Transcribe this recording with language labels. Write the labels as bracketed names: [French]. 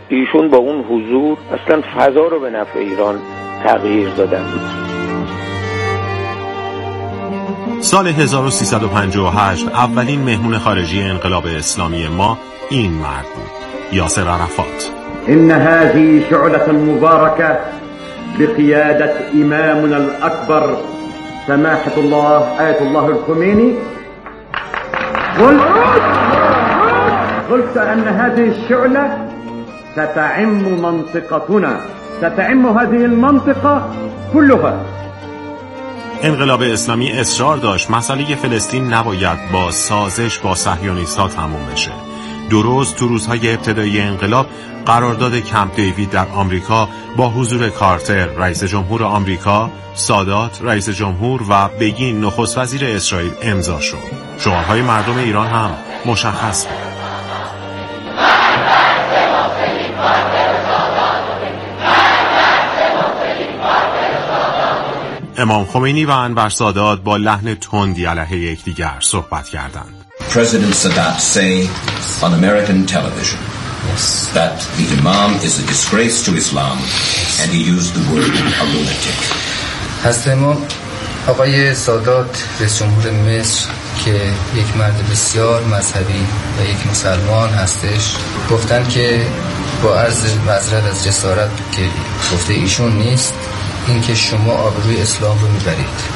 [Persian] ایشون با اون حضور اصلا فضا رو به نفع ایران تغییر دادن بود. سال 1358 اولین مهمون خارجی انقلاب اسلامی ما این مرد بود، یاسر عرفات. [Arabic] ان هذه شعلة مباركه بقياده امامنا الاكبر سماحه الله آيت الله الخميني. قلت ان هذه الشعله ستعم منطقتنا، ستعم هذه المنطقه كلها. [Persian] انقلاب اسلامی اصرار داشت مسئله فلسطین نباید با سازش با صهیونیست‌ها تموم بشه. درست تو روزهای ابتدایی انقلاب قرارداد کمپ دیوید در آمریکا با حضور کارتر رئیس جمهور آمریکا، سادات رئیس جمهور و بگین نخست وزیر اسرائیل امضا شد. شعارهای مردم ایران هم مشخص بود. امام خمینی و انور سادات با لحن تندی علیه یکدیگر صحبت کردند. [English] President Sadat say on American television that the imam is a disgrace to Islam and he used the word a lunatic. [Persian] هستمون آقای سادات رئیس جمهور مصر که یک مرد بسیار مذهبی و یک مسلمان هستش، گفتن که با عرض معذرت از جسارت که گفته ایشون نیست، این که شما آبروی اسلام رو میبرید.